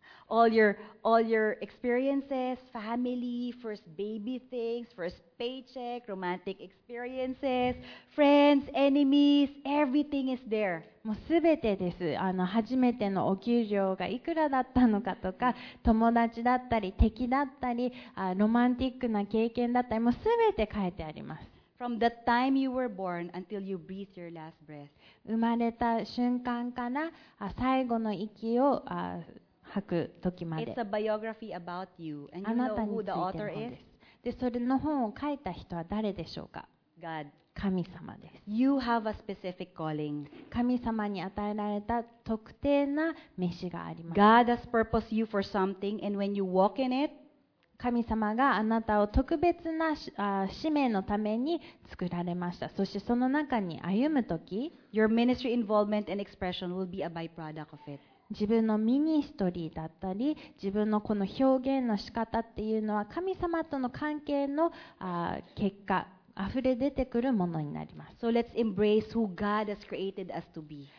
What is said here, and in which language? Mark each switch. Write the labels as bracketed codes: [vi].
[en] all your experiences, family, first baby things, first paycheck, romantic experiences, friends, enemies, everything is there. [ja] もうすべてです。初めてのお給料がいくらだったのかとか、友達だったり敵だったり、ロマンティックな経験だったり、もうすべて書いてあります。 [en] From the time you were born until you breathe your last breath. [ja] 生まれた瞬間かな、最後の息を吐く時まで。 [en] It's a biography about you, and you know who the author is? [ja] で、それの本を書いた人は誰でしょうか。 [en] God. [ja] 神様です。 [en] You have a specific calling. [ja] 神様に与えられた特定な召しがあります。 [en] God has purposed you for something, and when you walk in it, [ja] 神様があなたを特別な使命のために作られました。そしてその中に歩むとき、 [en] Your ministry involvement and expression will be a byproduct of it. [ja] 自分のミニストリーだったり、自分のこの表現の仕方っていうのは、神様との関係の結果、あふれ出てくるものになります。 [en] So let's embrace who God has created us to be.